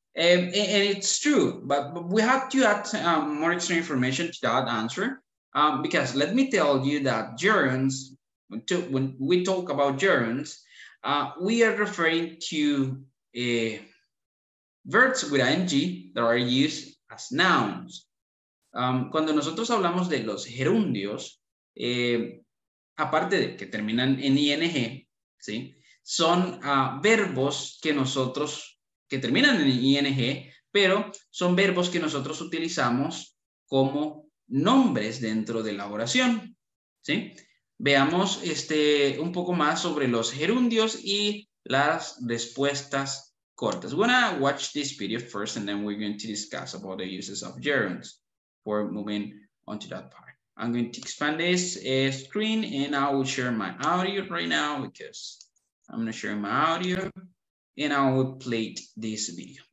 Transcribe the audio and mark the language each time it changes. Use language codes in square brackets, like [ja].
[en] And it's true, but we have to add more extra information to that answer. Because let me tell you that gerunds, when we talk about gerunds, we are referring to verbs with ing that are used as nouns. [es] Cuando nosotros hablamos de los gerundios, aparte de que terminan en ing, ¿sí? Son verbos que nosotros, que terminan en ing, pero son verbos que nosotros utilizamos como nombres dentro de la oración, ¿sí? Veamos un poco más sobre los gerundios y las respuestas cortas. [en] We're going to watch this video first and then we're going to discuss about the uses of gerunds before moving on to that part. I'm going to expand this screen and I will share my audio right now because I'm going to share my audio and I will play this video.